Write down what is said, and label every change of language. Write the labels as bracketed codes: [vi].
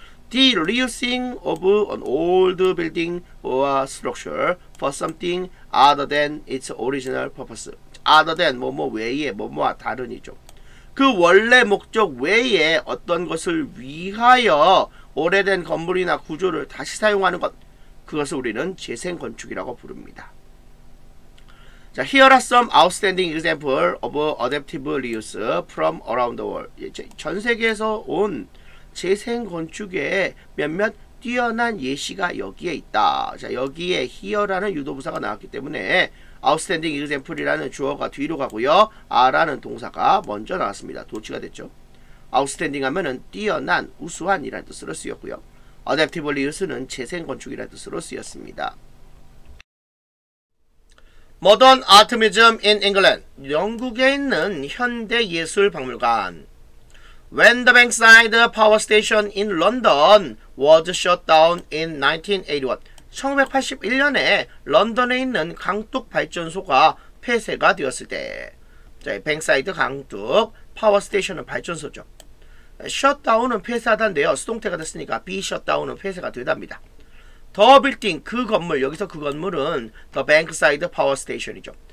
[en] The reusing of an old building or structure for something other than its original purpose. [ko] Other than, 뭐뭐 외에, 뭐뭐와 다른이죠. 그 원래 목적 외에 어떤 것을 위하여 오래된 건물이나 구조를 다시 사용하는 것. 그것을 우리는 재생건축이라고 부릅니다. 자, [en] here are some outstanding examples of adaptive reuse from around the world. [ko] 전 세계에서 온 재생건축의 몇몇 뛰어난 예시가 여기에 있다. 자, 여기에 here라는 유도부사가 나왔기 때문에 outstanding example이라는 주어가 뒤로 가고요. are라는 동사가 먼저 나왔습니다. 도치가 됐죠. outstanding 하면은 뛰어난, 우수한이라는 뜻으로 쓰였고요. adaptive reuse는 재생건축이라는 뜻으로 쓰였습니다. [en] Modern Art Museum in England. [ko] 영국에 있는 현대예술박물관. [en] When the Bankside Power Station in London was shut down in 1981. [ko] 1981년에 런던에 있는 강둑 발전소가 폐쇄가 되었을 때. 자, Bankside 강둑, Power Station은 발전소죠. Shut down은 폐쇄하다인데요. 수동태가 됐으니까 be shut down은 폐쇄가 되답니다. [en] The building, [ko] 그 건물, 여기서 그 건물은 The Bankside Power Station이죠.